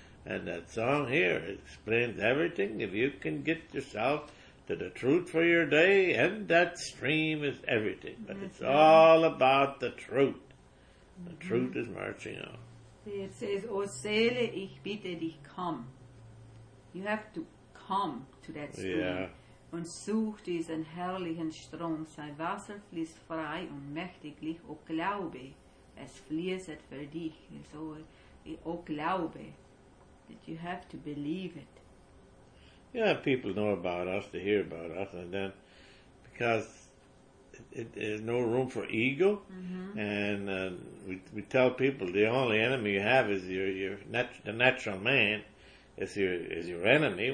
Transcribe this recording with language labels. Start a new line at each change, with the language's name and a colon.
English: And that song here explains everything. If you can get yourself to the truth for your day, and that stream is everything. But that's it's right. All about the truth. Mm-hmm. The truth is marching on. It says,
German: O Seele, ich bitte dich,
English: come. You have to come to that stream. Yeah.
German: Und such diesen herrlichen Strom. Sein Wasser fließt frei und mächtiglich. O Glaube, es fließt für dich. So, O Glaube.
English: That you have to believe it. Yeah, people know about us, they hear about us, and then because there's no room for ego, mm-hmm. and we tell people the only enemy you have is the natural man is your enemy.